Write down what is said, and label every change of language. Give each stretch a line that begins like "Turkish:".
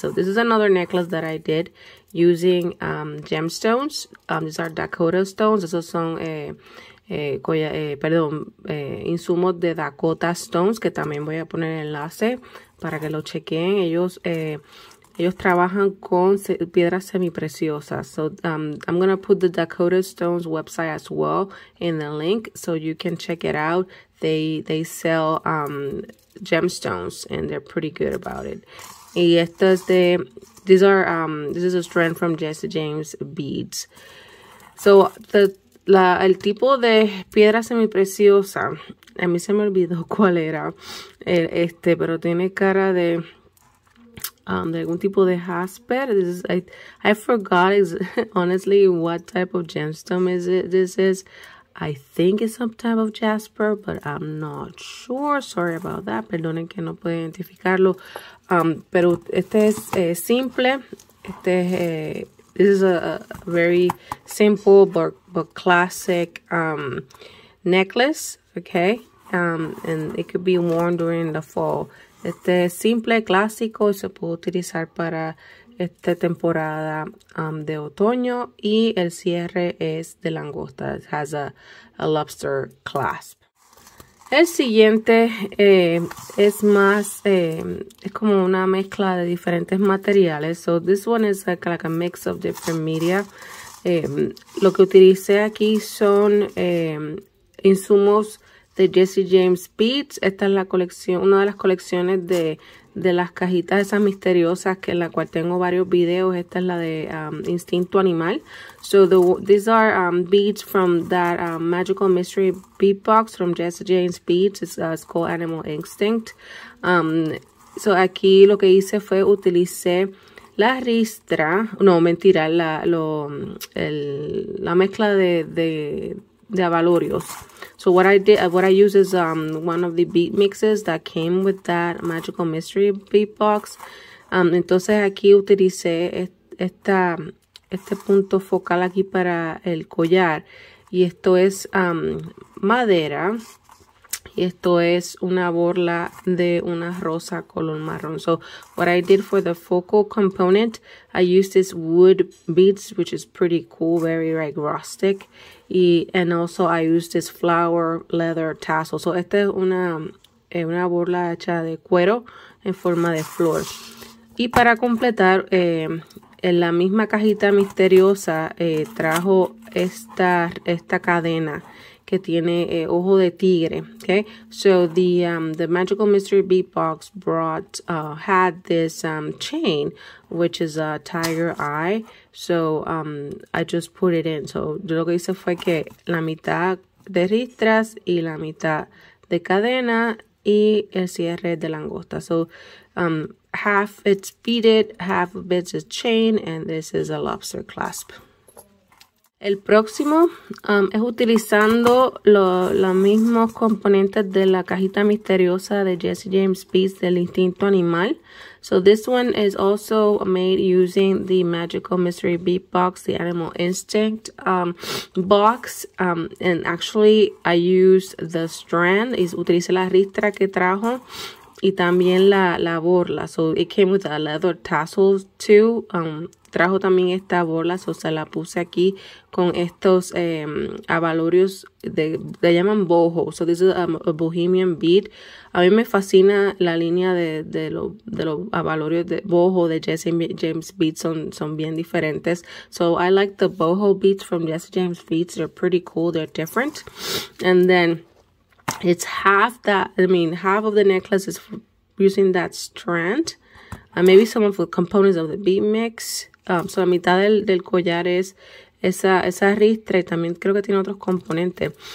English: So this is another necklace that I did using gemstones. These are Dakota stones.
Spanish: Esos son insumos de Dakota Stones, que también voy a poner el enlace para que lo chequen. Ellos trabajan con piedras semipreciosas.
English: So I'm gonna put the Dakota Stones website as well in the link, so you can check it out. They sell gemstones and they're pretty good about it.
Spanish: Y estas de
English: this is a strand from Jesse James Beads.
Spanish: So el tipo de piedra semipreciosa A mí se me olvidó cuál era el, este, pero tiene cara de de algún tipo de jasper.
English: This is, I forgot honestly what type of gemstone is it. This is, I think it's some type of jasper, but I'm not sure. Sorry about that.
Spanish: Perdonen que no puedo identificarlo. Pero este es simple. Este es,
English: this is a very simple but classic necklace. Okay. And it could be worn during the fall.
Spanish: Este es simple, clásico, y se puede utilizar para esta temporada de otoño. Y el cierre es de langosta.
English: It has a lobster clasp.
Spanish: El siguiente es más, es como una mezcla de diferentes materiales.
English: So this one is like a mix of different media.
Spanish: Lo que utilicé aquí son insumos de Jesse James Beads. Esta es la colección, una de las colecciones de las cajitas esas misteriosas, que en la cual tengo varios videos. Esta es la de Instinto Animal.
English: So the, these are beads from that Magical Mystery Bead Box from Jesse James Beads. It's called Animal Instinct.
Spanish: So aquí lo que hice fue utilicé la ristra, no mentira, la mezcla de abalorios.
English: So what I use is one of the bead mixes that came with that Magical Mystery bead box.
Spanish: Entonces aquí utilicé este punto focal aquí para el collar, y esto es madera, y esto es una borla de una rosa color marrón.
English: So what I did for the focal component, I used this wood beads, which is pretty cool, very like rustic. Y, and also I used this flower leather tassel.
Spanish: So esta es una borla hecha de cuero en forma de flor. Y para completar, en la misma cajita misteriosa trajo esta cadena que tiene ojo de tigre.
English: Okay, so the Magical Mystery Bead Box brought had this chain, which is a tiger eye. So I just put it in.
Spanish: So yo lo que hice fue que la mitad de ristras y la mitad de cadena y el cierre de langosta.
English: So half it's beaded, half of it's a chain, and this is a lobster clasp.
Spanish: El próximo es utilizando los mismos componentes de la cajita misteriosa de Jesse James Beads del Instinto Animal.
English: So this one is also made using the Magical Mystery Bead Box, the Animal Instinct box. And actually I used the strand,
Spanish: utilicé la ristra que trajo y también la borla.
English: So it came with a leather tassel too.
Spanish: Trajo también esta borla, o sea, la puse aquí con estos abalorios, le llaman boho.
English: So this is a bohemian bead.
Spanish: A mí me fascina la línea de los abalorios de boho de Jesse James Beads, son bien diferentes.
English: So I like the boho beads from Jesse James Beads, they're pretty cool, they're different. And then it's half that, I mean half of the necklace is using that strand. Maybe some of the components of the bead mix.
Spanish: So la mitad del collar es esa ristra, y también creo que tiene otros componentes.